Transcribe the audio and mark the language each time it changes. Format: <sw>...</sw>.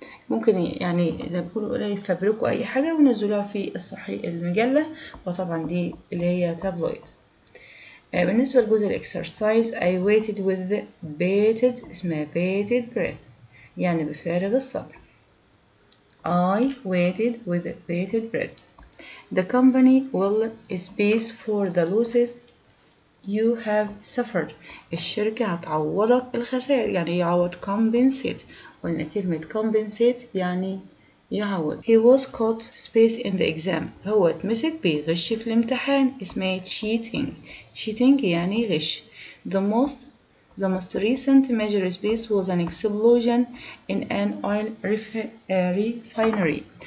<ar>ممكن يعني زي ما بيقولوا يفبركوا اي حاجة ونزلوها في الصحيح المجلة، وطبعا دي اللي هي tabloid. بالنسبة لجزء الاكسرسايز،</ar> <en>I waited with bated،</en> <ar>اسمها</ar> <en>bated breath،</en> <ar>يعني بفارغ الصبر.</ar> <en>I waited with bated breath. The company will space for the losses you have suffered.</en> <ar>الشركة هتعوضك الخسائر، يعني يعوض compensate، وإن كلمة compensate يعني يعوض.</ar> <en>He was caught space in the exam.</en> <ar>هو اتمسك بيغش في الامتحان، اسمه cheating.</ar> <en>cheating</en> <ar>يعني غش.</ar> <en>The most recent major space was an explosion in an oil refinery.</en>